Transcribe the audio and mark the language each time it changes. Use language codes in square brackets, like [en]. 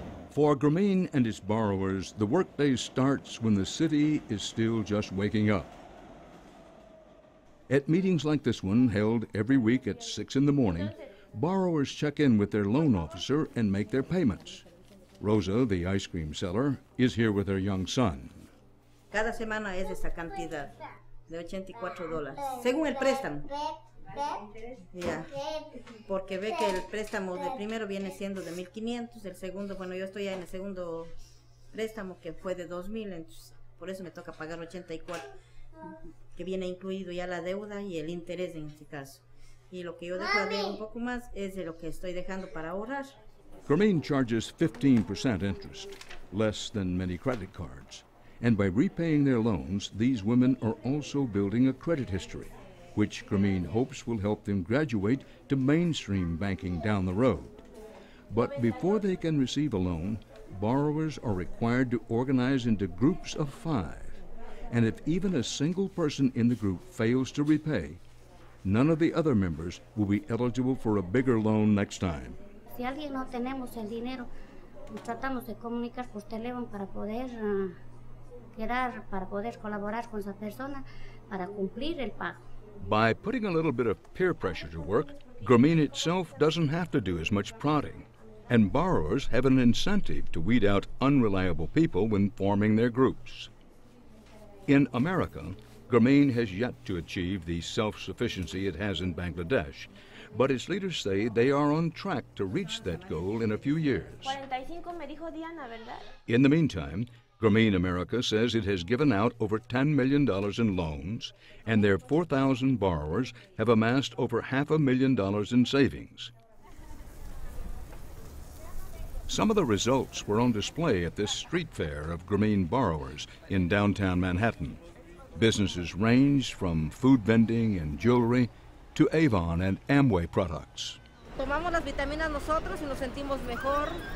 [en] For Grameen and its borrowers, the workday starts when the city is still just waking up. At meetings like this one, held every week at 6 in the morning, borrowers check in with their loan officer and make their payments. Rosa, the ice cream seller, is here with her young son. [es] Cada semana es esa cantidad de $84, según el préstamo. Ya. Porque ve que el préstamo de primero viene siendo de 1500, el segundo, bueno, yo estoy ya en el segundo préstamo que fue de 2000, entonces por eso me toca pagar 84, que viene incluido ya la deuda y el interés en este caso. Y lo que yo dejo de un poco más es de lo que estoy dejando para ahorrar. [en] Germaine charges 15% interest, less than many credit cards. And by repaying their loans, these women are also building a credit history, which Germaine hopes will help them graduate to mainstream banking down the road. But before they can receive a loan, borrowers are required to organize into groups of five. And if even a single person in the group fails to repay, none of the other members will be eligible for a bigger loan next time. [es] Si alguien no tenemos el dinero, tratamos de comunicar por teléfono para poder quedar, para poder colaborar con esa persona para cumplir el pago. [en] By putting a little bit of peer pressure to work, Germaine itself doesn't have to do as much prodding, and borrowers have an incentive to weed out unreliable people when forming their groups. In America, Germaine has yet to achieve the self-sufficiency it has in Bangladesh, but its leaders say they are on track to reach that goal in a few years. [es] 45, me dijo Diana, ¿verdad? [en] In the meantime, Germaine America says it has given out over $10 million in loans, and their 4,000 borrowers have amassed over $500,000 in savings. Some of the results were on display at this street fair of Germaine borrowers in downtown Manhattan. Businesses ranged from food vending and jewelry to Avon and Amway products. [es] Tomamos las vitaminas nosotros y nos sentimos mejor.